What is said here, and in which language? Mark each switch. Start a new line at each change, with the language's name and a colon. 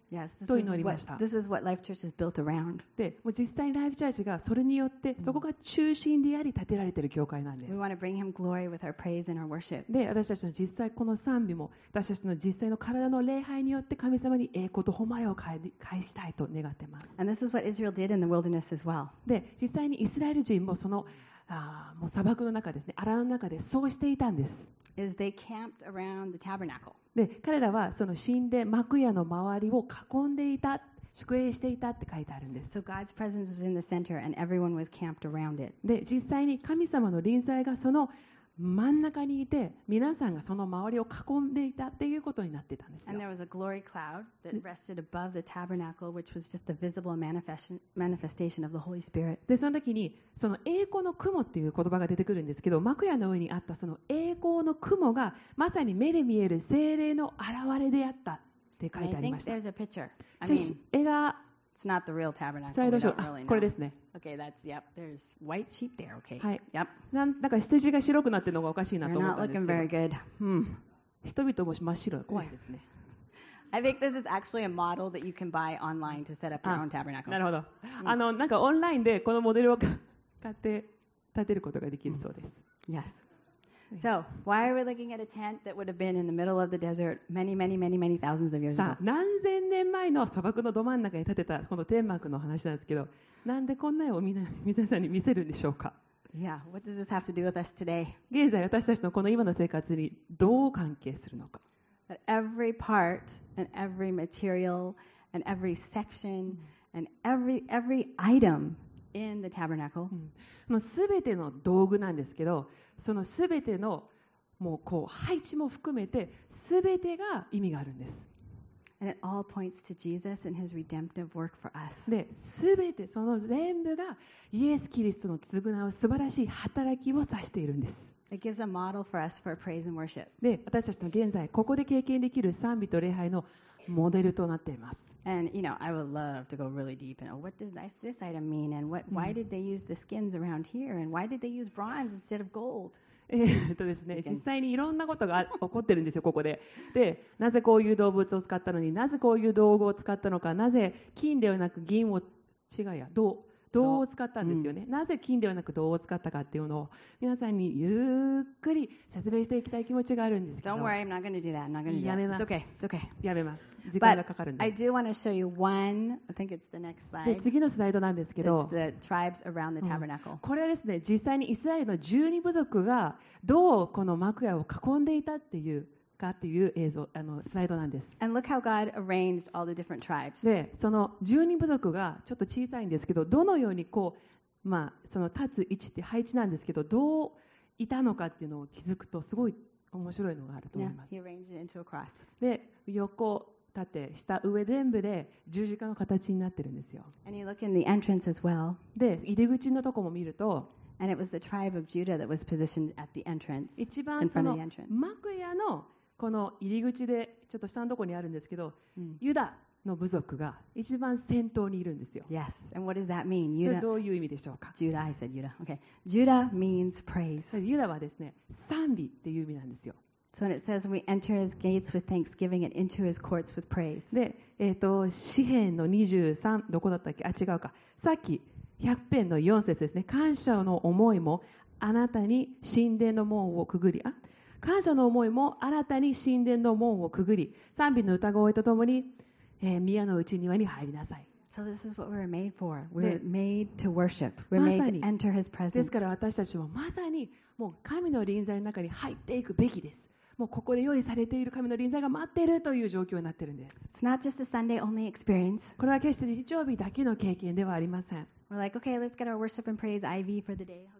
English: Yes, this is what Life Church is built around.
Japanese: で、もう実際にLife Churchがそれによってそこが中心であり建てられている教会なんです。
English: We want to bring Him glory with our praise and our worship.
Japanese: で、私たちの実際この賛美も私たちの実際の体の礼拝によって神様に栄光と誉れを返したいと願ってます。
English: And this is what Israel did in the wilderness as well.
Japanese: で、実際にイスラエル人もそのもう砂漠の中ですね、荒野の中でそうしていたんです。
English: Is they camped around the tabernacle.
Japanese: で、彼らはその神殿幕屋の周りを囲んでいた、宿営していたって書いてあるんです。
English: So God's presence was in the center and everyone was camped around it.
Japanese: で、実際に神様の臨在がその真ん中にいて、皆さんがその周りを囲んでいたっていうことになってたんですよ。
English: And there was a glory cloud that rested above the tabernacle, which was just a visible manifestation of the Holy Spirit.
Japanese: で、その時にその栄光の雲っていう言葉が出てくるんですけど、幕屋の上にあったその栄光の雲がまさに目で見える聖霊の現れであったって書いてありました。
English: I think there's a picture. It's not the real tabernacle.
Japanese: スライドショー。あ、これですね。
English: Okay, that's, yep. There's white sheep there. Okay.
Japanese: はい。
English: Yep.
Japanese: なんか羊が白くなってるのがおかしいなと思ったんですけど。
English: You're not looking very good.
Japanese: 人々も真っ白。怖いですね。
English: I think this is actually a model that you can buy online to set up your own tabernacle.
Japanese: なるほど。なんかオンラインでこのモデルを買って建てることができるそうです。
English: Yes. So, why are we looking at a tent that would have been in the middle of the desert many, many, many, many thousands of years ago?
Japanese: さあ、何千年前の砂漠のど真ん中に建てたこの天幕の話なんですけど、なんでこんな絵を皆さんに見せるんでしょうか?
English: Yeah, what does this have to do with us today?
Japanese: 現在私たちのこの今の生活にどう関係するのか?
English: That every part and every material and every section and every item in the tabernacle.
Japanese: もう全ての道具なんですけど、その全てのもうこう配置も含めて全てが意味があるんです。
English: And it all points to Jesus and his redemptive work for us.
Japanese: で、全てその全部がイエス・キリストの償う素晴らしい働きを指しているんです。
English: It gives a model for us for praise and worship.
Japanese: で、私たちの現在ここで経験できる賛美と礼拝のモデルとなっています。
English: And you know, I would love to go really deep and what does this item mean and what why did they use the skins around here and why did they use bronze instead of gold?
Japanese: ですね、実際にいろんなことが起こってるんですよ、ここで。で、なぜこういう動物を使ったのに、なぜこういう道具を使ったのか、なぜ金ではなく銀を違うや銅銅を使ったんですよね、うん、なぜ金ではなく銅を使ったかっていうのを皆さんにゆっくり説明していきたい気持ちがあるんですけど、
English: Don't worry, I'm not going to do that. I'm not going to do that.
Japanese: やめます。
English: It's okay. It's okay.
Japanese: やめます。時間がかかるんで。
English: But I do want to show you one, I think it's the next slide.
Japanese: で次のスライドなんですけど、
English: It's the tribes around the tabernacle.、う
Japanese: ん、これはですね、実際にイスラエルの十二部族がどうこの幕屋を囲んでいたっていうかっていう映像、あのスライドなんです。
English: And look how God arranged all the different tribes.
Japanese: で、その十二部族がちょっと小さいんですけど、どのようにこう、まあ、その立つ位置って配置なんですけど、どういたのかっていうのを気づくとすごい面白いのがあると思います。
English: Yeah, he arranged it into a cross.
Japanese: で、横、縦、下、上、全部で十字架の形になってるんですよ。
English: And you look in the entrance as well.
Japanese: で、入り口のとこも見ると、
English: And it was the tribe of Judah that was positioned at the entrance.
Japanese: 一番その幕屋のこの入り口でちょっと下のところにあるんですけど、うん、ユダの部族が一番先頭にいるんですよ。
English: Yes, and what does that mean?
Japanese: ユダ、どういう意味でしょうか。
English: Judah, I said Judah. Okay. Judah means praise.
Japanese: ユダはですね、賛美っていう意味なんですよ。
English: So when it says we enter his gates with thanksgiving and into his courts with praise.
Japanese: で、詩編の23どこだったっけ？あ、違うか。さっき100編の4節ですね。感謝の思いもあなたに神殿の門をくぐり、あ、感謝の思いも新たに神殿の門をくぐり、賛美の歌声とともに、宮の内庭に入りなさい。
English: So this is what we're made for. We're made to worship. We're made to enter His presence.
Japanese: ですから私たちもまさにもう神の臨在の中に入っていくべきです。もうここで用意されている神の臨在が待っているという状況になっているんです。
English: It's not just a Sunday only experience.
Japanese: これは決して日曜日だけの経験ではありません。
English: We're like, okay, let's get our worship and praise IV for the day.